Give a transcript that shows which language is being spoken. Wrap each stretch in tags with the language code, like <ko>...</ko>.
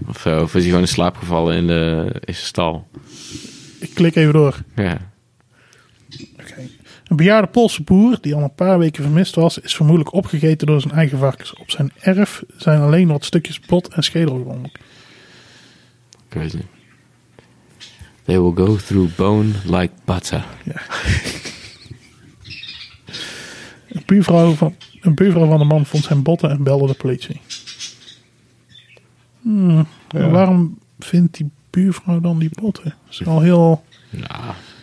<nl>Of is hij gewoon in slaap gevallen in zijn stal? Ik klik even door. Ja. Oké. Okay. Een bejaarde Poolse boer die al een paar weken vermist was... is vermoedelijk opgegeten door zijn eigen varkens. Op zijn erf zijn alleen wat stukjes bot en schedel gevonden. Crazy.</nl> <en>They will go through bone like butter.</en> <nl>Ja. Een buurvrouw van de man vond zijn botten en belde de politie. Ja. Waarom vindt die buurvrouw dan die botten? Dat is al heel... Ja.</nl>